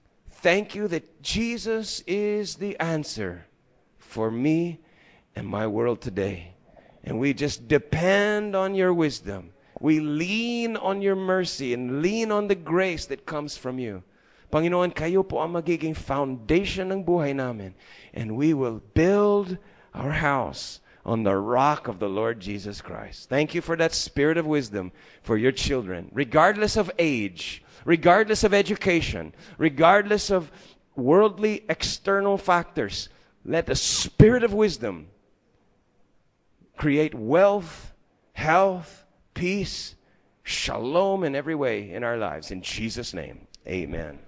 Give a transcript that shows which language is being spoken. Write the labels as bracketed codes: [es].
[en] Thank you that Jesus is the answer for me and my world today. And we just depend on your wisdom. We lean on your mercy and lean on the grace that comes from you. [tl] Panginoon, kayo po ang magiging foundation ng buhay namin. [en] And we will build our house on the rock of the Lord Jesus Christ. Thank you for that spirit of wisdom for your children. Regardless of age, regardless of education, regardless of worldly external factors, let the spirit of wisdom create wealth, health, peace, shalom in every way in our lives. In Jesus' name, amen.